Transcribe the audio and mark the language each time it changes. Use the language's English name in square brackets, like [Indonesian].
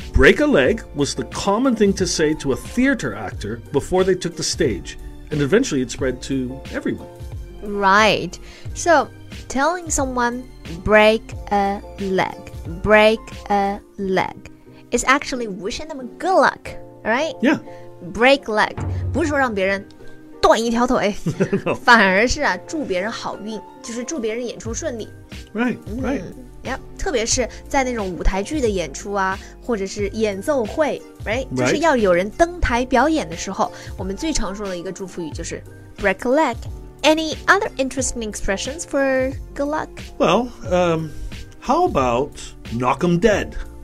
[English] Break a leg was the common thing to say to a theater actor before they took the stage, and eventually it spread to everyone. Right. So, telling someone break a leg, break a leg, is actually wishing them good luck, right? Yeah. [Chinese] Break leg, 不是说让别人断一条腿 [English] No. [Chinese] 反而是、啊、祝别人好运就是祝别人演出顺利 [English] Right. [Chinese] Yep, 特别是在那种舞台剧的演出啊或者是演奏会 right? 就是要有人登台表演的时候我们最常说的一个祝福语就是 Break a leg [English] Any other interesting expressions for good luck? Well, how about knock 'em dead?